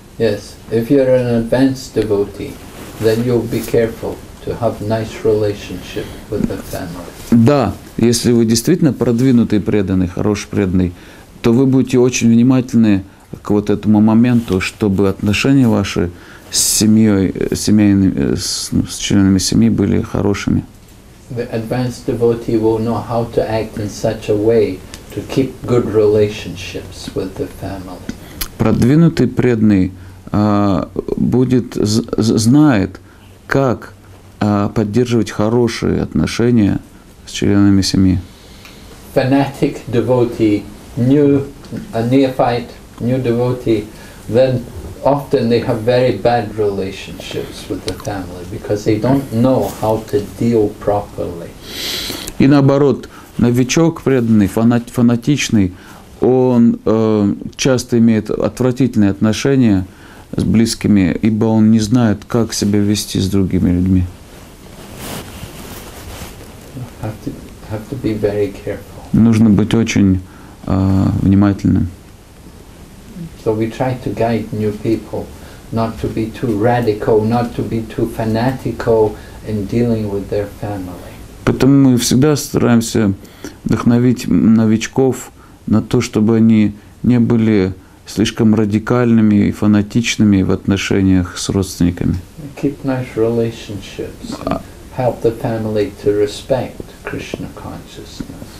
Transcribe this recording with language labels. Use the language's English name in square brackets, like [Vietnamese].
[English] Yes, if you're an advanced devotee, then you'll be careful to have nice relationship with the family. [Russian] Да, если вы действительно продвинутый преданный, хороший преданный, то вы будете очень внимательны к вот этому моменту, чтобы отношения ваши с семьей, с членами семьи были хорошими. [English] The advanced devotee will know how to act in such a way to keep good relationships with the family. [Russian] Продвинутый преданный будет знает, как поддерживать хорошие отношения с членами семьи. [English] Fanatic devotee, a neophyte devotee, then often they have very bad relationships with the family because they don't know how to deal properly. [Russian] И наоборот, новичок преданный, фанатичный, он часто имеет отвратительные отношения с близкими, ибо он не знает, как себя вести с другими людьми. [English] Have to be very careful. [Russian] Нужно быть очень внимательным. [English] So we try to guide new people not to be too radical, not to be too fanatical in dealing with their family. [Russian] Поэтому мы всегда стараемся вдохновить новичков на то, чтобы они не были слишком радикальными и фанатичными в отношениях с родственниками. [English] Keep nice relationships, help the family to respect Krishna consciousness.